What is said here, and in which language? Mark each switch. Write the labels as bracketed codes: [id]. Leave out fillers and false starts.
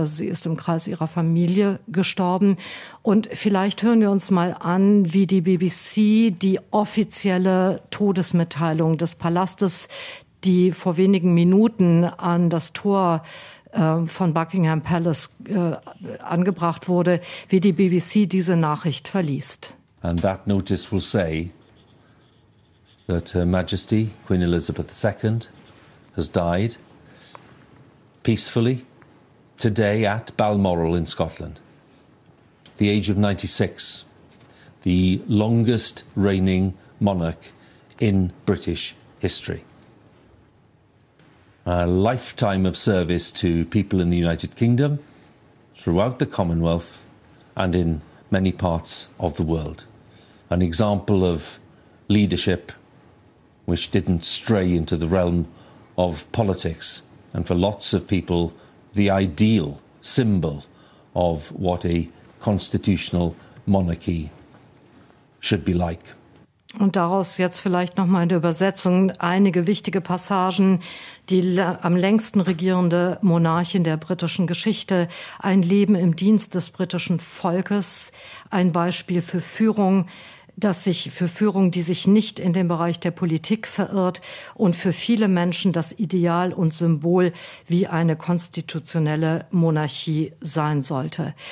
[de] Also sie ist im Kreis ihrer Familie gestorben. Und vielleicht hören wir uns mal an, wie die BBC die offizielle Todesmitteilung des Palastes, die vor wenigen Minuten an das Tor von Buckingham Palace angebracht wurde, wie die BBC diese Nachricht verliest. [en] And that notice will say that Her Majesty Queen Elizabeth II has died peacefully today at Balmoral in Scotland. The age of 96, the longest reigning monarch in British history. A lifetime of service to people in the United Kingdom, throughout the Commonwealth, and in many parts of the world. An example of leadership which didn't stray into the realm of politics, and for lots of people, the ideal symbol of what a constitutional monarchy should be like. [de] Und daraus jetzt vielleicht nochmal in der Übersetzung einige wichtige Passagen. Die am längsten regierende Monarchin der britischen Geschichte, ein Leben im Dienst des britischen Volkes, ein Beispiel für Führung. dass sich für Führung, die sich nicht in den Bereich der Politik verirrt und für viele Menschen das Ideal und Symbol wie eine konstitutionelle Monarchie sein sollte.